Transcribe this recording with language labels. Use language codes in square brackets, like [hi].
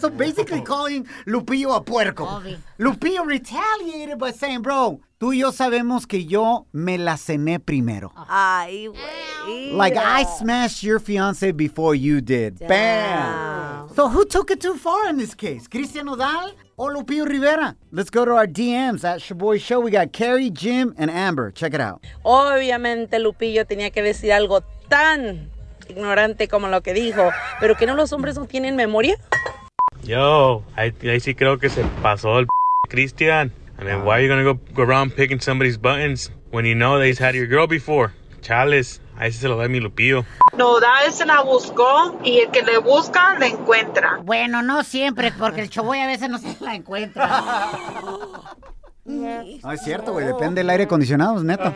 [en] So basically calling Lupillo a puerco. Lupillo retaliated by saying, bro, [es] tú y yo sabemos que yo me la cené primero. [en] Ay, wait. Like, I smashed your fiance before you did. Damn. Bam. So who took it too far in this case? Cristian Nodal or Lupillo Rivera? Let's go to our DMs at Shaboy Show. We got Carrie, Jim, and Amber. Check it out. [es] Obviamente Lupillo tenía que decir algo tan ignorante como lo que dijo. ¿Pero que no los hombres no tienen memoria? Yo, ahí sí creo que se pasó el Cristian. [en] I mean, why are you going to go around picking somebody's buttons when you know that he's had your girl before? [es] Chales, ahí sí se lo da mi Lupillo. No, Dave se la buscó y el que le busca, la encuentra. Bueno, no siempre, porque el Shaboy a veces no se la encuentra. No, es cierto, güey, depende del aire acondicionado, es neto.